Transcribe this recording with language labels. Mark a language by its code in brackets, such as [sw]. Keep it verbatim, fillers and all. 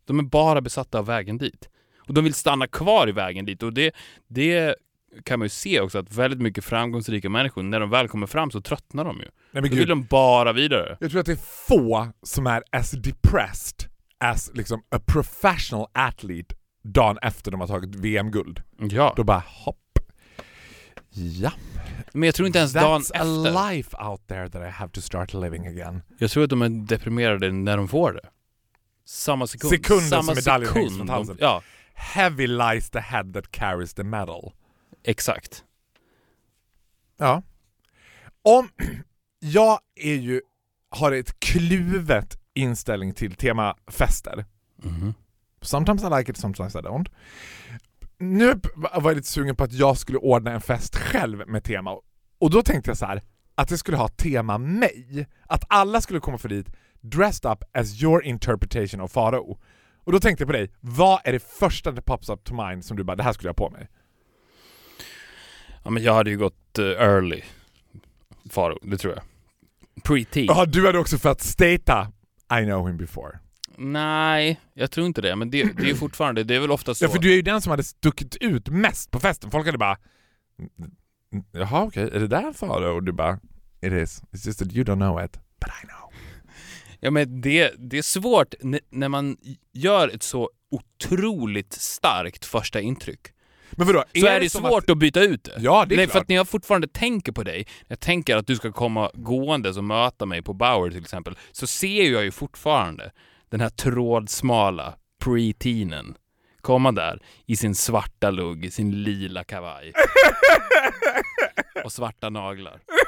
[sv] De är bara besatta av vägen dit. Och de vill stanna kvar i vägen dit. Och det, det kan man ju se också, att väldigt mycket framgångsrika människor, när de väl kommer fram så tröttnar de ju. Nej, då vill de bara vidare. Jag tror att det är få som är [en] as depressed as [sv] liksom [en] a professional athlete [sv] dagen efter de har tagit V M-guld. Ja. Då bara hopp. Ja. Men jag tror inte ens dagen efter. [en] That's a life out there that I have to start living again. [sv] Jag tror att de är deprimerade när de får det. Samma sekund. Sekunden samma som medaljen hängs från halsen. Ja. [en] Heavy lies the head that carries the medal. [sv] Exakt. Ja. Om jag är ju har ett kluvet inställning till temafester. Mm. [en] Sometimes I like it, sometimes I don't. [sv] Nu var jag lite sugen på att jag skulle ordna en fest själv med tema. Och då tänkte jag så här, att det skulle ha tema mig. Att alla skulle komma för dit [en] dressed up as your interpretation of Farao. [sv] Och då tänkte jag på dig, vad är det första [en] that pops up to mind [sv] som du bara, det här skulle jag ha på mig? Ja, men jag hade ju gått uh, early Farao, det tror jag. Pre-teen. Ja, du hade också för att stata [en] I know him before. [sv] Nej, jag tror inte det. Men det, det är ju fortfarande, det är väl ofta så. Ja, för du är ju den som hade stuckit ut mest på festen. Folk hade bara, jaha, okej, okay, är det där Farao? Och du bara, [en] it is. It's just that you don't know it, but I know. [sv] Ja, men det, det är svårt n- när man gör ett så otroligt starkt första intryck. Men vadå, så är det, är det svårt att... att byta ut det. Ja, det är nej, klart. För att när jag fortfarande tänker på dig, jag tänker att du ska komma gående och möta mig på Bauer till exempel, så ser jag ju fortfarande den här trådsmala pre-teenen komma där i sin svarta lugg, sin lila kavaj och svarta naglar.